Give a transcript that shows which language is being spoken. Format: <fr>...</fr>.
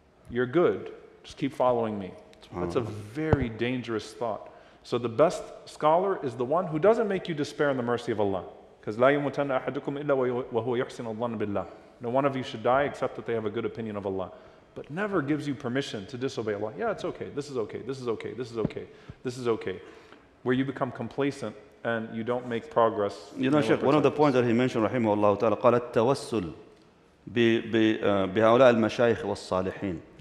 <en>You're good, just keep following me. That's a very dangerous thought. So the best scholar is the one who doesn't make you despair in the mercy of Allah. Because</en> <ar>لَا يُمُتَنَّ أَحَدُكُمْ إِلَّا وَهُوَ يُحْسِنَ اللَّهُ بِاللَّهِ.</ar> <en>No one of you should die except that they have a good opinion of Allah. But never gives you permission to disobey Allah. Yeah, it's okay. This is okay. This is okay. This is okay. This is okay. Where you become complacent and you don't make progress. You know, Sheikh, one of the points that he mentioned, rahimahullah ta'ala,</en> <ar>قَالَ التَّوَسُّلْ بِهَوْلَاءَ الْمَشَايِخِ وَالصَّالِحِينَ.</ar>